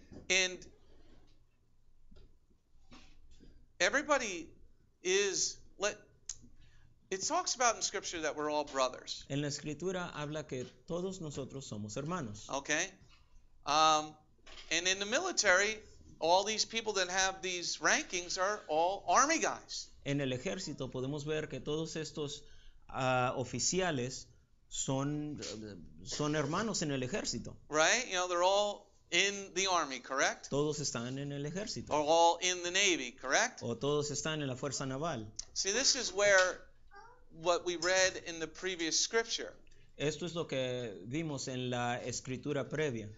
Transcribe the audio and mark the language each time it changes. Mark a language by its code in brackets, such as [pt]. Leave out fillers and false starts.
[en] And everybody is, it talks about in Scripture that we're all brothers. [es] En la Escritura habla que todos nosotros somos hermanos. [en] Okay. And in the military, all these people that have these rankings are all army guys. [es] En el ejército podemos ver que todos estos oficiales son hermanos en el ejército. [en] Right? You know, they're all in the army, correct? [es] Todos están en el ejército. [en] Or all in the navy, correct? [es] O todos están en la fuerza naval. [en] See, this is where what we read in the previous scripture. [es] Esto es lo que vimos en la escritura previa.